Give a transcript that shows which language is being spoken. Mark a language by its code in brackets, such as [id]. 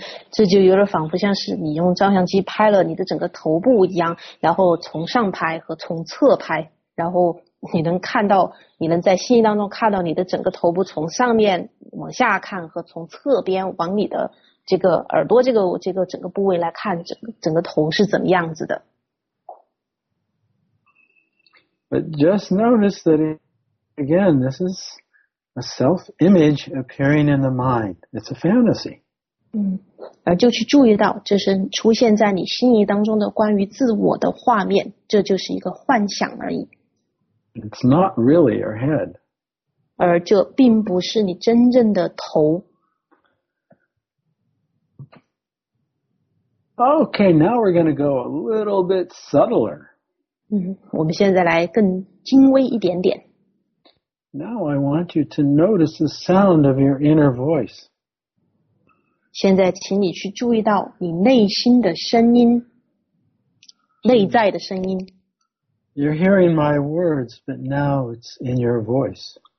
[zh] 这就有点仿佛像是你用照相机拍了你的整个头部一样，然后从上拍和从侧拍。然后你能看到，你能在心意当中看到你的整个头部从上面往下看和从侧边往你的这个耳朵这个整个部位来看，整个头是怎么样子的。 [en] But just notice that again, this is a self-image appearing in the mind. It's a fantasy. [zh] 而就去注意到，这是出现在你心意当中的关于自我的画面，这就是一个幻想而已。 [en] It's not really your head. [zh] 而这并不是你真正的头。 [en] Okay, now we're going to go a little bit subtler. [zh] 我们现在来更精微一点点。 [en] Now I want you to notice the sound of your inner voice. [zh] 现在请你去注意到你内心的声音，内在的声音。 [en] You're hearing my words, but now it's in your voice.